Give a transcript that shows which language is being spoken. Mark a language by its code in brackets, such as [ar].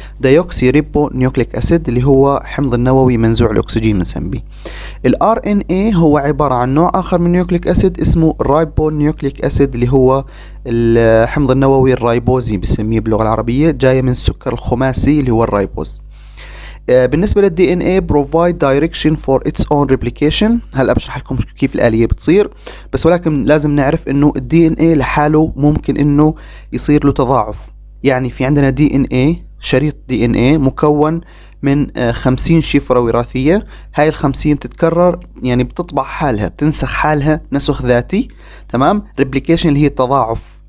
[ar] ديوكسي ريبو نيوكليك اسيد اللي هو حمض النووي منزوع الاكسجين بنسميه. الار ان اي هو عبارة عن نوع اخر من نيوكليك اسيد اسمه ريبو نيوكليك اسيد اللي هو الحمض النووي الرايبوزي بنسميه باللغة العربية، جاي من السكر الخماسي اللي هو الرايبوز. بالنسبة [en] للدي N A provide direction for its own replication. [ar] هلأ بشرح لكم كيف الآلية بتصير، بس ولكن لازم نعرف انه الدي ان اي لحاله ممكن انه يصير له تضاعف. يعني في عندنا دي ان اي، شريط دي ان اي مكون من 50 شفرة وراثية، هاي 50 تتكرر، يعني بتطبع حالها، بتنسخ حالها نسخ ذاتي، تمام؟ replication اللي هي التضاعف.